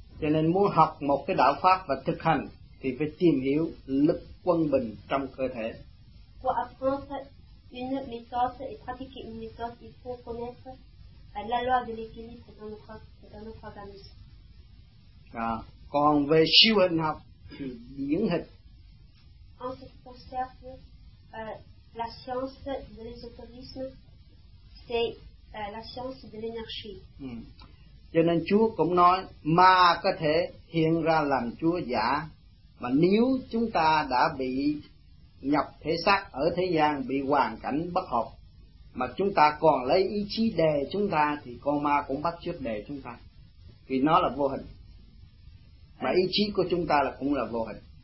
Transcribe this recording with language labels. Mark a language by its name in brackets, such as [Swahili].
[Vietnamese] Cho nên muốn học một cái đạo pháp và thực hành thì phải tìm hiểu lực quân bình trong cơ thể. [French] Pour apprendre une méthode et pratiquer une méthode, il faut connaître la loi de l'équilibre dans notre organisme. [Vietnamese] À, còn về siêu hình học thì điển hình. [French] En ce qui concerne la science de l'ésotérisme, c'est la science de l'énergie. [Vietnamese] Cho nên Chúa cũng nói ma có thể hiện ra làm Chúa giả, mà nếu chúng ta đã bị nhập thể xác ở thế gian, bị hoàn cảnh bất hợp, mà chúng ta còn lấy ý chí đè chúng ta thì con ma cũng bắt chước đè chúng ta, vì nó là vô hình, mà ý chí của chúng ta là cũng là vô hình.